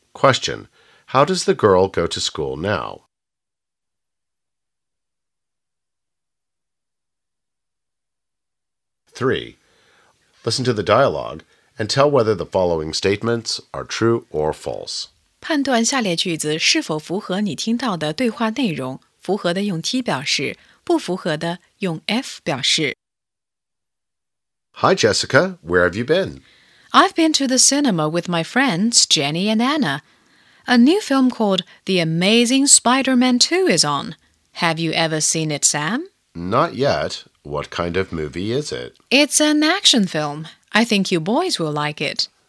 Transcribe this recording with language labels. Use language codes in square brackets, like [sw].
[en] Question, how does the girl go to school now? Three, listen to the dialogue and tell whether the following statements are true or false. [zh] 判断下列句子是否符合你听到的对话内容，符合的用 T 表示，不符合的用 F 表示。 [en] Hi Jessica, where have you been? I've been to the cinema with my friends, Jenny and Anna. A new film called The Amazing Spider-Man 2 is on. Have you ever seen it, Sam? Not yet. What kind of movie is it? It's an action film. I think you boys will like it.